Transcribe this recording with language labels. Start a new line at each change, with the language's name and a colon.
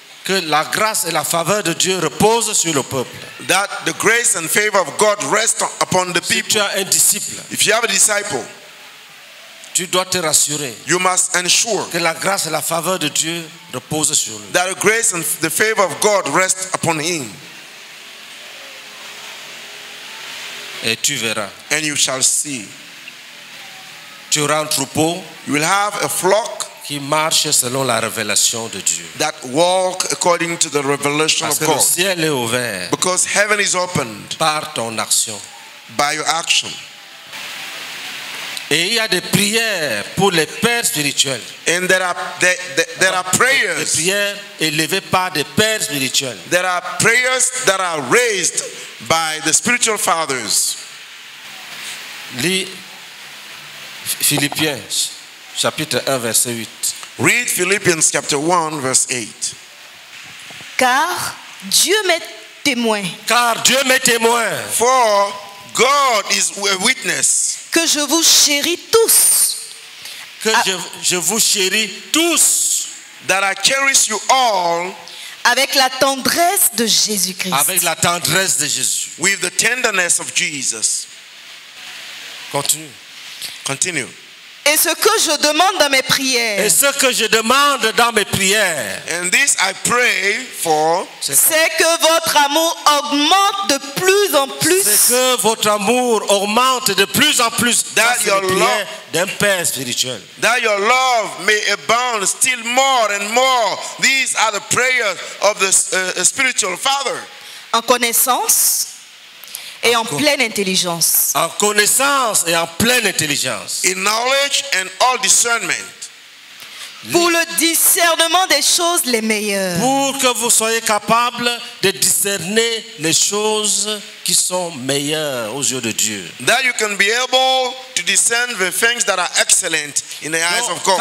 French: que la grâce et la faveur de Dieu reposent sur le peuple.
English: That the grace and favor of God rest upon the
French: si
English: people.
French: Si tu as un disciple,
English: if you have a disciple,
French: tu dois te rassurer.
English: You must ensure
French: que la grâce et la faveur de Dieu reposent sur lui.
English: That the grace and the favor of God rest upon him.
French: Et tu verras.
English: And you shall see.
French: Tu auras un troupeau.
English: You will have a flock.
French: Qui marche selon la révélation de Dieu.
English: That walk according to the revelation
French: Parce
English: of God.
French: Parce que le ciel est ouvert.
English: Because heaven is opened.
French: Par ton action.
English: By your action.
French: Et il y a des prières pour les pères spirituels.
English: And there are prayers.
French: Des prières élevées par des pères spirituels.
English: There are prayers that are raised by the spiritual fathers.
French: Lis Philippiens chapitre 1 verset 8.
English: Read Philippians chapter 1 verse 8.
French: Car Dieu m'est témoin. Car Dieu m'est témoin.
English: For God is a witness.
French: Que je vous chéris tous. Que je vous chéris tous.
English: That I cherish you all.
French: Avec la tendresse de Jésus-Christ. Avec la tendresse de Jésus.
English: With the tenderness of Jesus.
French: Continue. Continue. Et ce que je demande dans mes prières. Et ce que je demande dans mes prières.
English: And this I pray for.
French: C'est que votre amour augmente de plus en plus. C'est que votre amour augmente de plus en plus.
English: That your love
French: d'un père spirituel.
English: That your love may abound still more and more. These are the prayers of the spiritual father.
French: En connaissance et en pleine intelligence. En connaissance et en pleine intelligence.
English: In knowledge and all discernment.
French: Pour le discernement des choses les meilleures. Pour que vous soyez capable de discerner les choses qui sont meilleures aux yeux de Dieu.
English: That you can be able to discern the things that are excellent in the eyes of God.